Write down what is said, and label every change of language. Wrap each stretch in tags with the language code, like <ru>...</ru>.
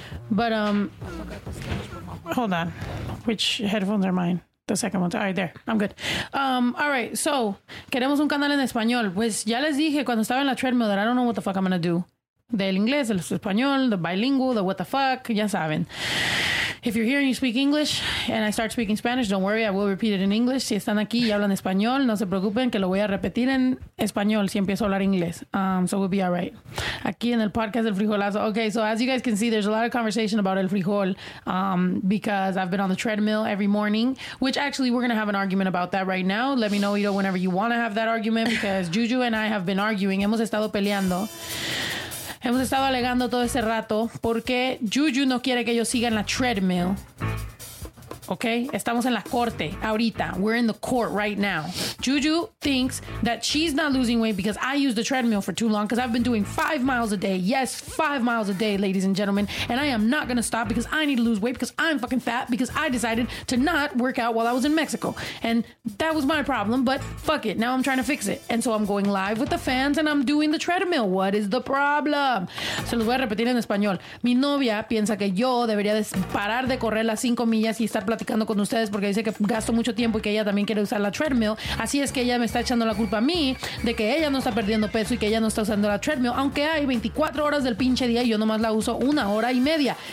<en>But hold on. Which headphones are mine? The second one. All right, there. I'm good. All right.</en> <es>So, queremos un canal en español. Pues ya les dije cuando estaba en la treadmill</es> <en>that I don't know what the fuck I'm going to do.</en> <es>Del inglés, el español,</es> <en>the bilingual, the what the fuck.</en> <es>Ya saben.</es> <en>If you're here and you speak English and I start speaking Spanish, don't worry. I will repeat it in English.</en> <es>Si están aquí y hablan español, no se preocupen que lo voy a repetir en español si empiezo a hablar inglés.</es> <en>So, we'll be all right.</en> <es>Aquí en el podcast del frijolazo. Okay.</es> <en>So, as you guys can see, there's a lot of conversation about el frijol because I've been on the treadmill every morning, which actually we're going to have an argument about that right now. Let me know, Ido, whenever you want to have that argument because Juju and I have been arguing.</en> <es>Hemos estado peleando. Hemos estado alegando todo ese rato porque Juju no quiere que yo siga en la treadmill.</es> <en>Okay?</en> <es>Estamos en la corte ahorita.</es> <en>We're in the court right now. Juju thinks that she's not losing weight because I use the treadmill for too long because I've been doing 5 miles a day. Yes, 5 miles a day, ladies and gentlemen. And I am not going to stop because I need to lose weight because I'm fucking fat because I decided to not work out while I was in Mexico. And that was my problem, but fuck it. Now I'm trying to fix it. And so I'm going live with the fans and I'm doing the treadmill. What is the problem?</en> <es>Se los voy a repetir en español. Mi novia piensa que yo debería parar de correr las 5 millas y estar platicando con ustedes porque dice que gasto mucho tiempo y que ella también quiere usar la treadmill. Así es que ella me está echando la culpa a mí de que ella no está perdiendo peso y que ella no está usando la treadmill, aunque hay 24 horas del pinche día y yo nomás la uso una hora y media.</es>